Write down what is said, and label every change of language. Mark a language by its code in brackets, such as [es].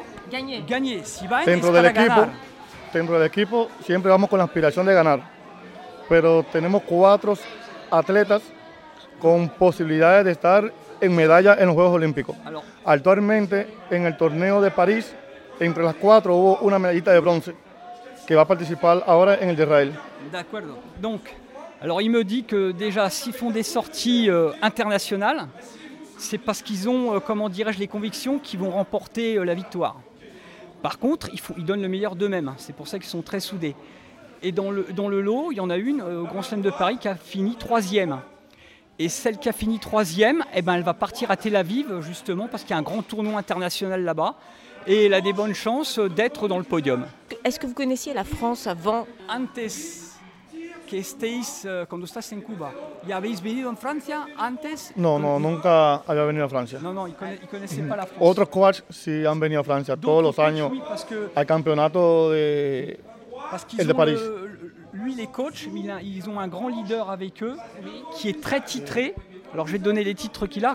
[es] Dentro del equipo siempre vamos con la aspiración de ganar, pero tenemos cuatro atletas con posibilidades de estar en medalla en los Juegos Olímpicos. Actualmente, en el torneo de París, entre las cuatro hubo una medallita de bronce que va a participar ahora en el de Israel. De acuerdo. [fr] Donc, alors il me dit que déjà s'ils font des sorties internationales, c'est parce qu'ils ont, comment dirais-je, les convictions qu'ils vont remporter la victoire. Par contre, ils donnent le meilleur d'eux-mêmes. C'est pour ça qu'ils sont très soudés. Et dans le lot, il y en a une au Grand Chelem de Paris qui a fini troisième. Et celle qui a fini troisième, eh ben, elle va partir à Tel Aviv, justement, parce qu'il y a un grand tournoi international là-bas. Et elle a des bonnes chances d'être dans le podium. Est-ce que vous connaissiez la France avant? [es] Antes que estéis, cuando estás en Cuba, ¿y habéis venido en Francia antes? No, nunca había venido a Francia. [fr] No, il connaissait pas la France. [es] Otros coachs sí han venido a Francia [fr] donc, [es] todos los años al campeonato de [fr] parce qu'ils [es] el de Paris. [fr] Lui, les coachs, ils ont un grand leader avec eux qui est très titré. Alors, je vais te donner les titres qu'il a.